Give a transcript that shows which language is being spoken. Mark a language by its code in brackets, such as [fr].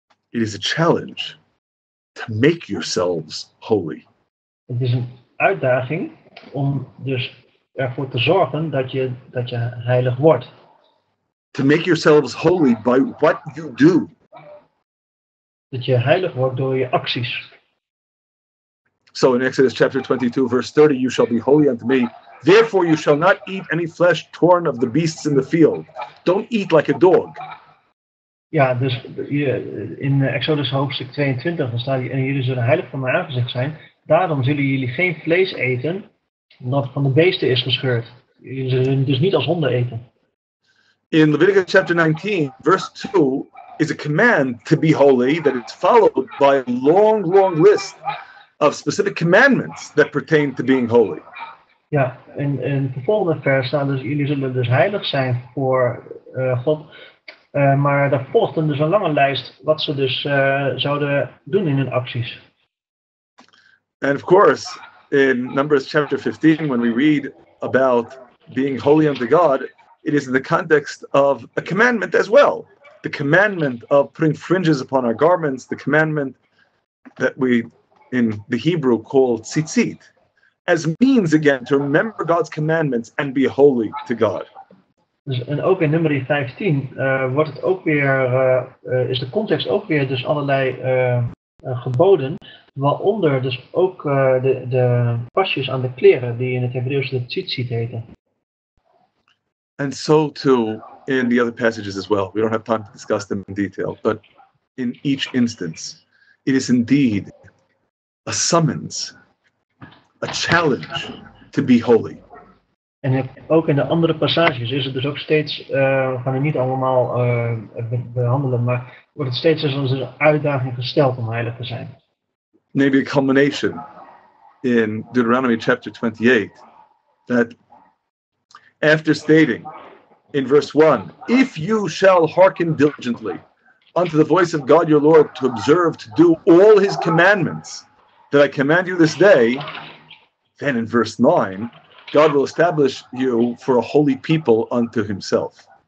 [en] It is a challenge to make yourselves holy. [nl] Het is een uitdaging om dus ervoor te zorgen dat je heilig wordt. [en] To make yourselves holy by what you do. [nl] Dat je heilig wordt door je acties. [en] So in Exodus chapter 22, verse 30, you shall be holy unto me. Therefore you shall not eat any flesh torn of the beasts in the field. Don't eat like a dog. [nl] Ja, dus in Exodus hoofdstuk 22, dan staat hij, en jullie zullen heilig van mijn aangezicht zijn. Daarom zullen jullie geen vlees eten, omdat van de beesten is gescheurd. Jullie zullen dus niet als honden eten. [en] In Leviticus chapter 19, verse 2, is a command to be holy that is followed by a long, long list of specific commandments that pertain to being holy. [nl] Ja, in de volgende vers staat dus, jullie zullen dus heilig zijn voor God. Maar daar volgt dus een lange lijst wat ze dus zouden doen in hun acties. [en] And of course, in Numbers chapter 15, when we read about being holy unto God, it is in the context of a commandment as well. The commandment of putting fringes upon our garments, the commandment that we in the Hebrew call tzitzit, as means again to remember God's commandments and be holy to God. [nl] Dus, en ook in nummer 15 wordt het ook weer, is de context ook weer dus allerlei geboden, waaronder dus ook de pasjes aan de kleren die in het Hebreeuws de tzitzit heten. [en] And so too in the other passages as well. We don't have time to discuss them in detail, but in each instance, it is indeed a summons, a challenge to be holy. [nl] En ook in de andere passages is het dus ook steeds, we gaan het niet allemaal behandelen, maar wordt het steeds als een uitdaging gesteld om heilig te zijn. [en] Maybe a combination in Deuteronomy chapter 28, that after stating in verse 1, if you shall hearken diligently unto the voice of God your Lord to observe to do all his commandments that I command you this day, then in verse 9, God will establish you for a holy people unto himself.